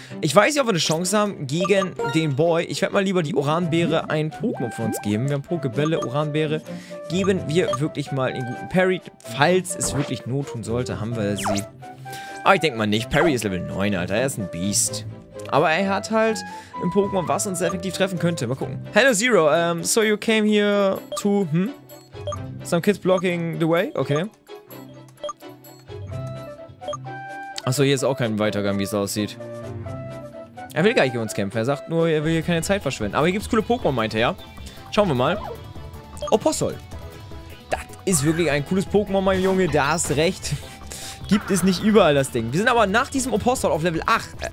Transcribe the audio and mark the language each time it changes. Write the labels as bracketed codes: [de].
[de] Ich weiß nicht, ob wir eine Chance haben gegen den Boy. Ich werde mal lieber die Uranbeere ein Pokémon von uns geben. Wir haben Pokebälle, Uranbeere. Geben wir wirklich mal einen guten Parry. Falls es wirklich Not tun sollte, haben wir sie. Aber ich denke mal nicht. Parry ist Level 9, Alter. Er ist ein Biest. Aber er hat halt ein Pokémon, was uns effektiv treffen könnte. Mal gucken. [en] Hello Zero, so you came here to, some kids blocking the way? [de] Okay. Achso, hier ist auch kein Weitergang, wie es aussieht. Er will gar nicht gegen uns kämpfen. Er sagt nur, er will hier keine Zeit verschwenden. Aber hier gibt es coole Pokémon, meinte er. Schauen wir mal. Opossol. Das ist wirklich ein cooles Pokémon, mein Junge. Da hast recht. Gibt es nicht überall, das Ding. Wir sind aber nach diesem Opossol auf Level 8.